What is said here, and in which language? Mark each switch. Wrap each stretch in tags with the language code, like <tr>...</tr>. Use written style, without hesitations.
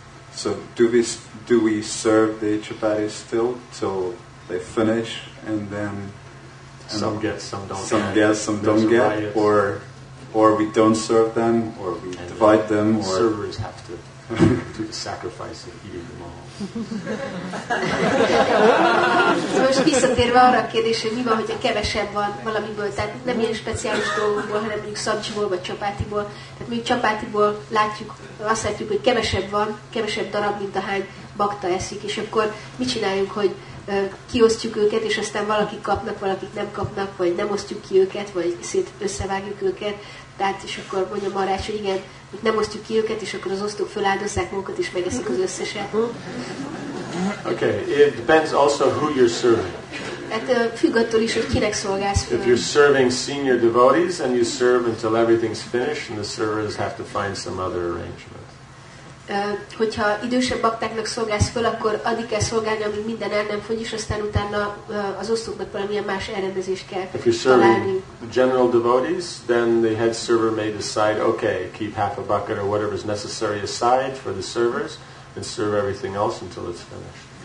<en>So do we serve the chapatis still till they finish, and then some get, some don't get, or we don't serve them, or we and divide them, or servers have to do the sacrifice of eating them all.</en> <hu>Most visszatérve arra a kérdésre, hogy mi van, hogyha kevesebb van valamiből, tehát nem ilyen speciális dolgokból, hanem mondjuk szabcsiból vagy csapátiból. Tehát mondjuk csapátiból látjuk, azt látjuk, hogy kevesebb van, kevesebb darab, mint ahány bakta eszik, és akkor mit csináljuk, hogy kiosztjuk őket, és aztán valakik kapnak, valakik nem kapnak, vagy nem osztjuk ki őket, vagy szét összevágjuk őket. Tehát és akkor mondja Marács, hogy igen, hogy nem osztjuk ki őket, és akkor az osztók feláldozzák magukat, és megeszik az összeset.</hu> <en>Okay, it depends also who you're serving.</en> <hu>Hát függ attól is, hogy kinek szolgálsz föl.</hu> <en>If you're serving senior devotees, and you serve until everything's finished, and the servers have to find some other arrangement.</en> <hu>Hogyha idősebb baktáknak szolgálsz föl, akkor addig kell szolgálni, amíg minden el nem fogy, és aztán utána az osztóknak valamilyen más elrendezést kell találni.</hu> <en>If you're serving the general devotees, then the head server may decide, okay, keep half a bucket or whatever is necessary aside for the servers, and serve everything else until it's finished.</en>